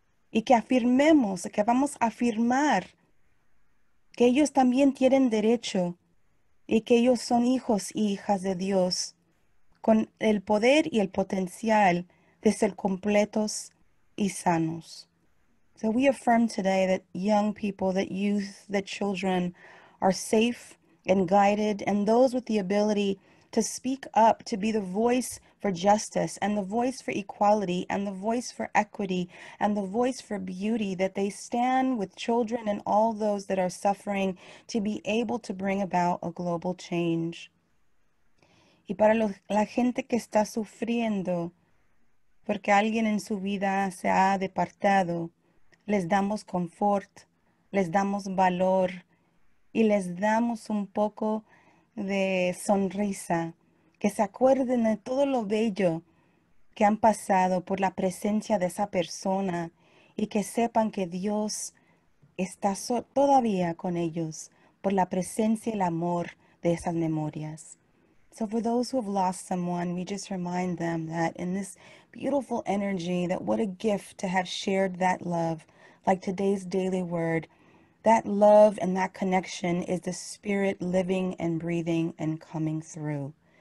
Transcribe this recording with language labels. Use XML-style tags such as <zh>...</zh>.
<es>Y que afirmemos, que vamos a afirmar que ellos también tienen derecho y que ellos son hijos e hijas de Dios, con el poder y el potencial de ser completos y sanos.</es> <en>So we affirm today that young people, that youth, that children are safe and guided, and those with the ability to speak up, to be the voice for justice, and the voice for equality, and the voice for equity, and the voice for beauty, that they stand with children and all those that are suffering to be able to bring about a global change. Y para la gente que está sufriendo,</en> <es>porque alguien en su vida se ha departado, les damos confort, les damos valor y les damos un poco de sonrisa, que se acuerden de todo lo bello que han pasado por la presencia de esa persona y que sepan que Dios está todavía con ellos por la presencia y el amor de esas memorias.</es> <en>So for those who have lost someone, we just remind them that in this beautiful energy, that what a gift to have shared that love, like today's daily word, that love and that connection is the spirit living and breathing and coming through.</en>